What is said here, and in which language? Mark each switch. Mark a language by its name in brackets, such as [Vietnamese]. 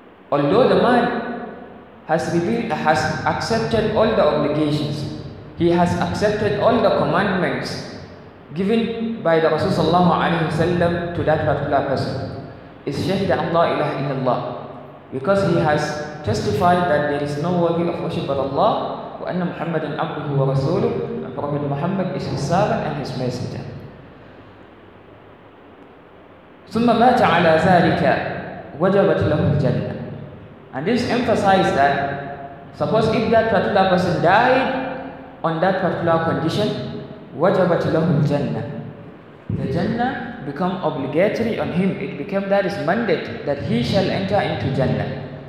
[English] Although the man has accepted all the obligations, he has accepted all the commandments given by the Rasul sallallahu alayhi wa sallam to that particular person. [Arabic] إِذْ شَهِدَ أَنْ لَا إِلَهَ إِلَّا اللَّهُ. [English] Because he has testified that there is no worthy of worship but Allah, [Arabic] wa anna Muhammadan abduhu wa rasuluh, [English] and Prophet Muhammad is his servant and his messenger. [Arabic] ثم مات على ذلك وجبت له الجنة. [English] And this emphasizes that suppose if that particular person died on that particular condition, [Arabic] وجبت له الجنة, [English] the Jannah become obligatory on him. It became that his mandate that he shall enter into Jannah.